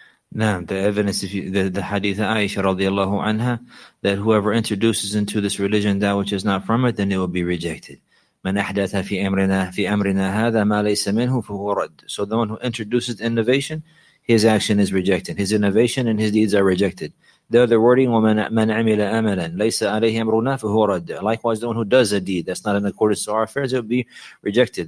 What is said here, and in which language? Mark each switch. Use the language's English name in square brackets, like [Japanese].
[English] Now, the evidence, the hadith of Aisha radiallahu anha, that whoever introduces into this religion that which is not from it, then it will be rejected. [Arabic] مَنْ أَحْدَثَ فِي أَمْرِنَا هَذَا مَا لَيْسَ مِنْهُ فَهُوَ رَدْ. [English] So the one who introduces innovation, his action is rejected. His innovation and his deeds are rejected. The other wording, [Arabic] مَنْ عَمِلَ أَمَلًا لَيْسَ عَلَيْهِ أَمْرُنَا فَهُوَ رَدْ. [English] Likewise, the one who does a deed that's not in accordance to our affairs, it will be rejected.